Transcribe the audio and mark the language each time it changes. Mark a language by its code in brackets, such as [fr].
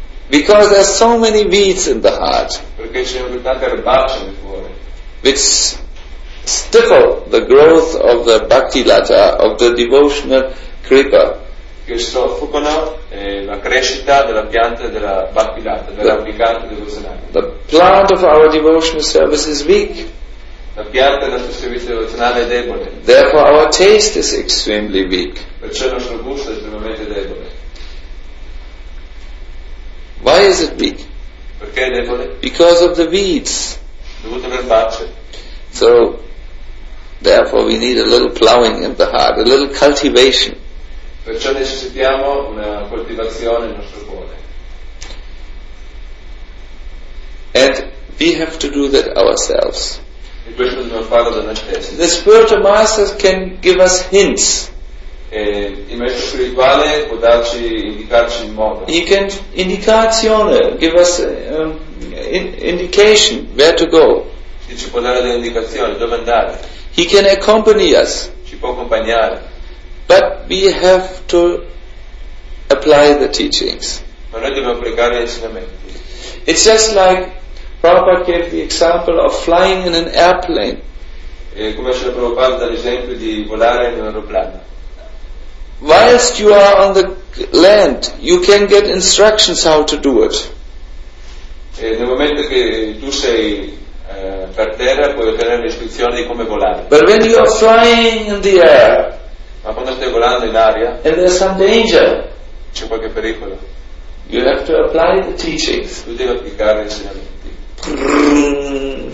[en] Because there are so many weeds in the heart. [it] Perché ci sono tante erbacce nel cuore. [en] Which stifle the growth of the bhakti lata, of the devotional kripa. [it] Che soffocano la crescita della pianta della bhakti lata, della brigante devozionale. [en] The plant of our devotional service is weak. [it] La pianta del nostro servizio devozionale è debole. [en] Therefore our taste is extremely weak. [it] Perciò il nostro gusto è estremamente debole. [en] Why is it weak? [it] Perché è debole? [en] Because of the weeds. [it] Dovuto alle erbacce. [en] So, therefore we need a little plowing in the heart, a little cultivation. [it] Perciò necessitiamo una coltivazione nel nostro cuore. [en] And we have to do that ourselves. [it] E questo dobbiamo farlo da noi stessi. [en] The spiritual master can give us hints. [it] E il maestro spirituale può darci, indicarci in modo. [en] He can indicazione, give us indication where to go. [it] Ci può dare delle indicazioni dove andare. [en] He can accompany us. [it] Ci può accompagnare. [en] But we have to apply the teachings. [it] Ma noi dobbiamo applicare gli insegnamenti. [en] It's just like Prabhupada gave the example of flying in an airplane. [it] E come ce l'ha Prabhupada dall'esempio di volare in un aeroplano. [en] Whilst you are on the land, you can get instructions how to do it. [it] E nel momento che tu sei per terra puoi ottenere istruzioni di come volare. [en] But when you are flying in the air, [it] ma quando stai volando in aria, [en] and there's some danger, [it] c'è qualche pericolo, [en] you have to apply the teachings. [it] Tu devi applicare gli insegnamenti.